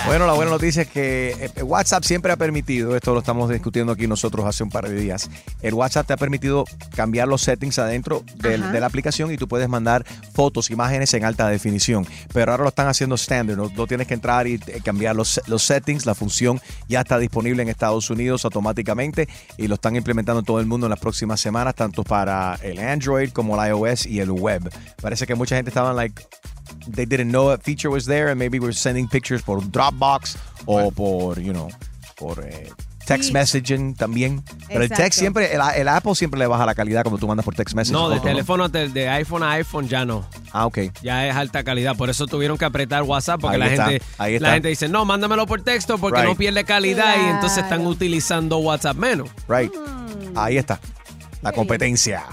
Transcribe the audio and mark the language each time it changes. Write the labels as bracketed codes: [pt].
[es] Bueno, la buena noticia es que WhatsApp siempre ha permitido, esto lo estamos discutiendo aquí nosotros hace un par de días, el WhatsApp te ha permitido cambiar los settings adentro de la aplicación y tú puedes mandar fotos, imágenes en alta definición. Pero ahora lo están haciendo standard, no tienes que entrar y cambiar los settings. La función ya está disponible en Estados Unidos automáticamente y lo están implementando todo el mundo en las próximas semanas, tanto para el Android como el iOS y el web. Parece que mucha gente estaba [en] they didn't know that feature was there, and maybe we're sending pictures for Dropbox or for, you know, for text messaging [es] también. Exacto. Pero el text siempre, el Apple siempre le baja la calidad cuando tú mandas por text message. No, de teléfono, de iPhone a iPhone ya no. Ah, ok. Ya es alta calidad. Por eso tuvieron que apretar WhatsApp, porque la gente dice, no, mándamelo por texto porque no pierde calidad y entonces están utilizando WhatsApp menos. Right. Ahí está. La competencia.